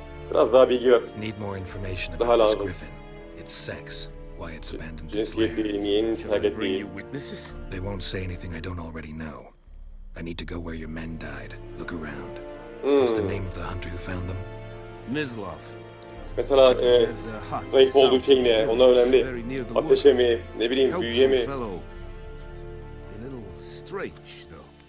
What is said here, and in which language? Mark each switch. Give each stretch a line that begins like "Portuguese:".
Turkish: Biraz daha bilgi ver.
English: Need more information about this griffin. Its sex, why it's abandoned its lair. Should I bring you witnesses? They won't say anything I don't already know. I need to go where your men died. Look around. What's the name of the hunter who found them? Mislav.
Turkish: Mesela zayıf olduğu şey ne? Onlar önemli. Ateşe mi? Ne bileyim, büyüye mi?
English: A little strange, though.